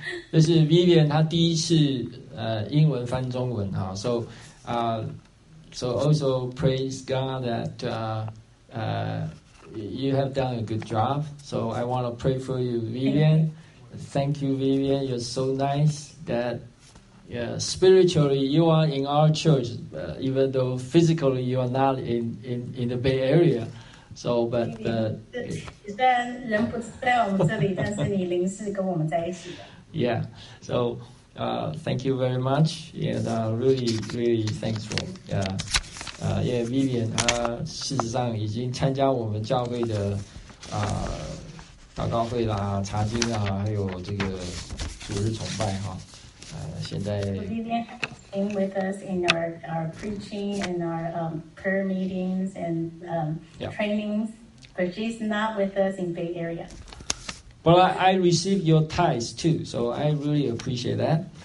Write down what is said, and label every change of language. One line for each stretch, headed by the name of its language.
Chinese: 这是 Vivian 她第一次英文翻中文哈
English: ，so 啊、，so also praise God that you have done a good job. So I want to pray for you, Vivian. Thank you, Vivian. You're so nice that yeah, spiritually you are in our church, even though physically you are not in the Bay Area. So, but the.
Chinese: 虽然人不在我们这里，但是你灵是跟我们在一起的。
English: Yeah. So, thank you very much, and really, really thankful. Yeah. Yeah, Vivian.
Chinese: 她事实上已经参加我们教会的祷告会啦、查经啊，还有这个主日崇拜哈。现在。
English: Vivian, staying with us in our preaching and our prayer meetings and trainings, but she's not with us in Bay Area. Well, I received your tithes too, so I really appreciate that.